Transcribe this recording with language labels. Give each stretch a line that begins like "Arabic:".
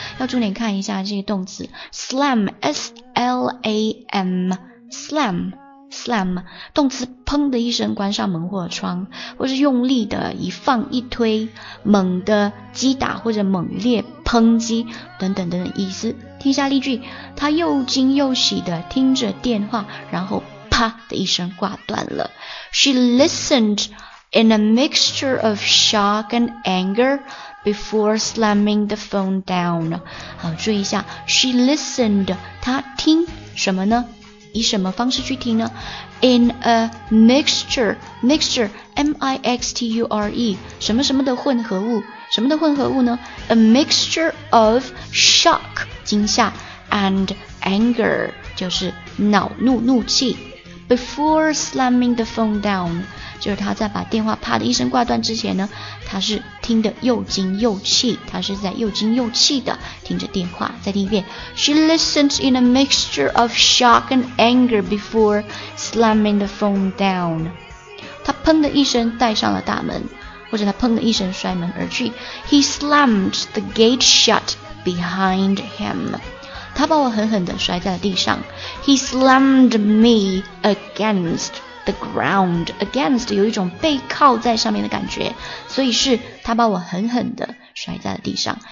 Chinese: 要重点看一下这个动词 slam S-L-A-M slam slam， 动词砰的一声关上门或窗，或是用力的一放一推，猛的击打或者猛烈抨击等等等等意思。听下例句，他又惊又喜的听着电话，然后啪的一声挂断了。
English: She listenedIn a mixture of shock and anger before slamming the phone down.
Chinese: 好，注意一下，
English: She listened.
Chinese: 她听什么呢？以什么方式去听呢？
English: In a mixture. Mixture.
Chinese: M-I-X-T-U-R-E. 什么什么的混合物。什么的混合物呢？
English: A mixture of shock. 惊吓。 And anger.
Chinese: 就是恼怒怒气。
English: Before slamming the phone down.
Chinese: 就是他在把电话啪的一声挂断之前呢，他是听得又惊又气，他是在又惊又气的听着电话。再听一遍，
English: She listened in a mixture of shock and anger before slamming the phone down.
Chinese: 他砰的一声带上了大门，或者他砰的一声摔门而去。
English: He slammed the gate shut behind him.
Chinese: 他把我狠狠地摔在了地上。
English: He slammed me againstThe ground against
Chinese: 有一种被靠在上面的感觉，所以是他把我狠狠地摔在了地上。